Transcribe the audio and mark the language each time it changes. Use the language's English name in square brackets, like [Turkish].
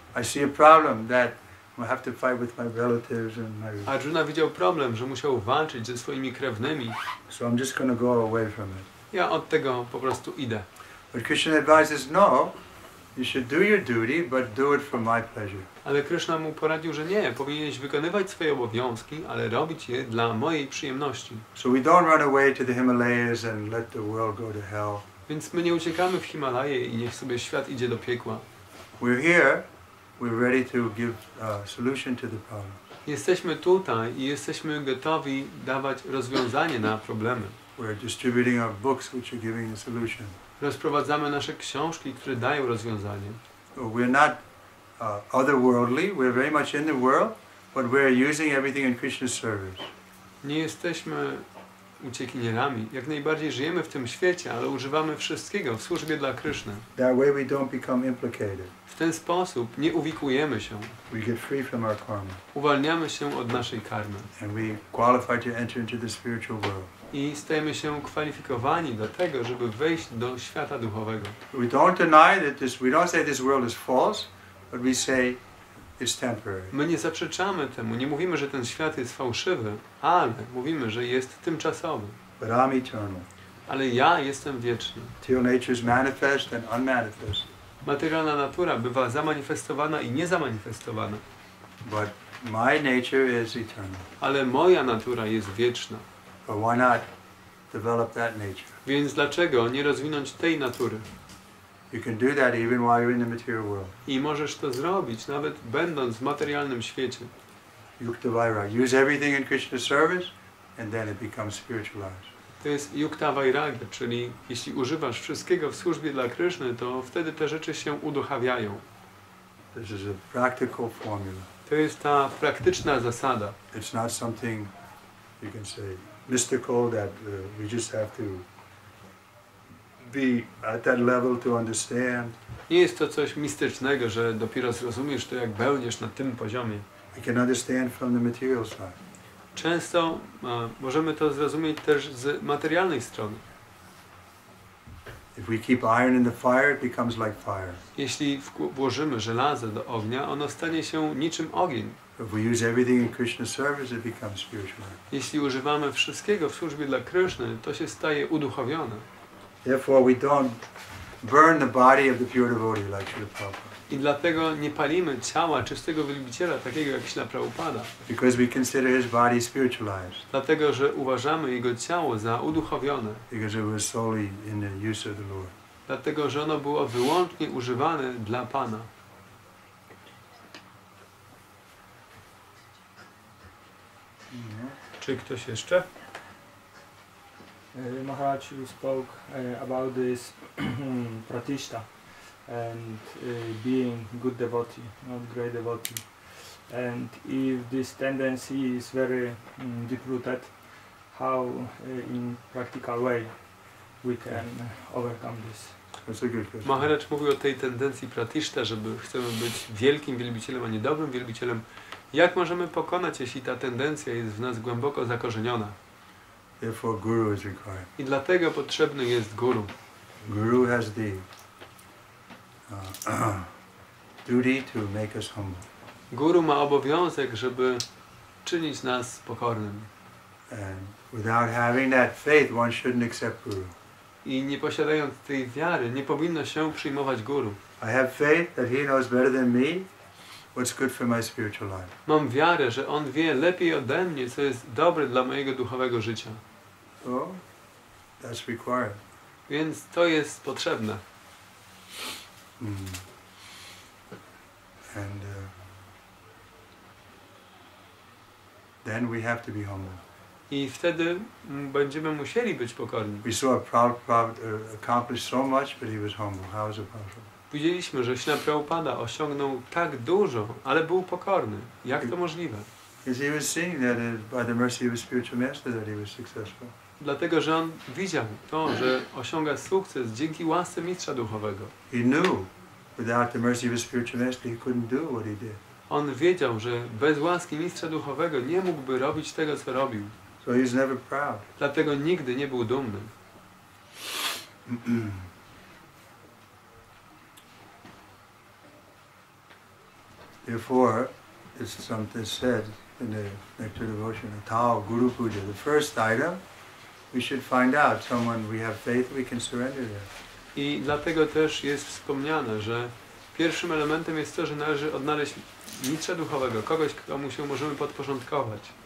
[English] I see a problem that I have to fight with my relatives and my. [Polish] Arjuna widział problem, że musiał walczyć ze swoimi krewnymi. [English] So I'm just gonna go away from it. [Polish] Ja od tego po prostu idę. [English] But Krishna advises no. You should do your duty, but do it for my pleasure. [Polish] Ale Krishna mu poradził, że nie, powinieneś wykonywać swoje obowiązki, ale robić je dla mojej przyjemności. [English] So we don't run away to the Himalayas and let the world go to hell. [Polish] Więc my nie uciekamy w Himalaje i niech sobie świat idzie do piekła. [English] We're here, we're ready to give a solution to the problem. [Polish] Jesteśmy tutaj i jesteśmy gotowi dawać rozwiązanie na problemy. [English] We're distributing our books, which are giving a solution. [Polish] Rozprowadzamy nasze książki, które dają rozwiązanie. [English] We're not otherworldly. We're very much in the world, but we're using everything in Krishna's service. [Polish] Nie jesteśmy uciekinierami. Jak najbardziej żyjemy w tym świecie, ale używamy wszystkiego w służbie dla Krishny. [English] That way we don't become implicated. [Polish] W ten sposób nie uwikujemy się. [English] We get free from our karma. [Polish] Uwalniamy się od naszej karmy. [English] And we qualify to enter into the spiritual world. [Polish] I stajemy się kwalifikowani do tego, żeby wejść do świata duchowego. [English] We don't deny that this, we don't say this world is false, but we say it's temporary. [Polish] My nie zaprzeczamy temu, nie mówimy, że ten świat jest fałszywy, ale mówimy, że jest tymczasowy. [English] But I'm eternal. [Polish] Ale ja jestem wieczny. [English] Till nature is manifest and unmanifest. [Polish] Materialna natura bywa zamanifestowana i niezamanifestowana. [English] But my nature is eternal. [Polish] Ale moja natura jest wieczna. [English] But why not develop that nature? [Polish] Więc dlaczego nie rozwinąć tej natury? [English] You can do that even while you're in the material world. [Polish] I możesz to zrobić nawet będąc w materialnym świecie. [English] Yukta Vairagya. Use everything in Krishna's service, and then it becomes spiritualized. [Polish] To jest Yukta Vairagya, czyli jeśli używasz wszystkiego w służbie dla Kryszny, to wtedy te rzeczy się uduchawiają. [English] This is a practical formula. [Polish] To jest ta praktyczna zasada. [English] It's not something you can say. Mystical that we just have to be at that level to understand. [Polish] Nie jest to coś mistycznego, że dopiero zrozumiesz to, jak będziesz na tym poziomie. [English] We can understand from the material side. [Polish] Często możemy to zrozumieć też z materialnej strony. [English] If we keep iron in the fire, it becomes like fire. [Polish] Jeśli włożymy żelazo do ognia, ono stanie się niczym ogień. [English] If we use everything in Krishna's service, it becomes spiritual. [Polish] Jeśli używamy wszystkiego w służbie dla Kryszny, to się staje uduchowione. [English] Therefore, we don't burn the body of the pure devotee like Śrīla Prabhupāda. [Polish] I dlatego nie palimy ciała czystego wielbiciela takiego jak Śrīla Prabhupāda. [English] Because we consider his body spiritualized. [Polish] Dlatego, że uważamy jego ciało za uduchowione. [English] Because it was solely in the use of the Lord. [Polish] Dlatego, że ono było wyłącznie używane dla Pana. Czy ktoś jeszcze? [English] Maharaj, you spoke about this pratishta and being good devotee, not great devotee. And if this tendency is very deep-rooted, how in practical way we can overcome this? [Polish] Maharaj mówił o tej tendencji pratiszta, żeby chcemy być wielkim wielbicielem, a nie dobrym wielbicielem. Jak możemy pokonać, jeśli ta tendencja jest w nas głęboko zakorzeniona? [English] Therefore guru is required. [Polish] I dlatego potrzebny jest guru. [English] Guru has the duty to make us humble. [Polish] Guru ma obowiązek, żeby czynić nas pokornym. [English] And without having that faith, one shouldn't accept guru. [Polish] I nie posiadając tej wiary, nie powinno się przyjmować guru. [English] I have faith that he knows better than me what's good for my spiritual life. [Polish] Mam wiarę, że on wie lepiej ode mnie, co jest dobre dla mojego duchowego życia. [English] So, that's required. [Polish] Więc to jest potrzebne. [English] And then we have to be humble. [Polish] I wtedy będziemy musieli być pokorni. [English] We saw Prabhupada accomplished so much, but he was humble. How is it possible? [Polish] Widzieliśmy, że Śrila Prabhupada osiągnął tak dużo, ale był pokorny. Jak to możliwe? [English] He was seeing that by the mercy of his spiritual master that he was successful. [Polish] Dlatego, że on widział to, że osiąga sukces dzięki łasce mistrza duchowego. [English] He knew without the mercy of his spiritual master he couldn't do what he did. [Polish] On wiedział, że bez łaski mistrza duchowego nie mógłby robić tego, co robił. [English] So he's never proud. [Polish] Dlatego nigdy nie był dumny. [English] Therefore, it's something said in the Nectar Devotion, Tao Guru Puja. The first item, we should find out someone we have faith we can surrender to. [Polish] I dlatego też jest wspomniane, że pierwszym elementem jest to, że należy odnaleźć mistrza duchowego, kogoś, komu się możemy podporządkować.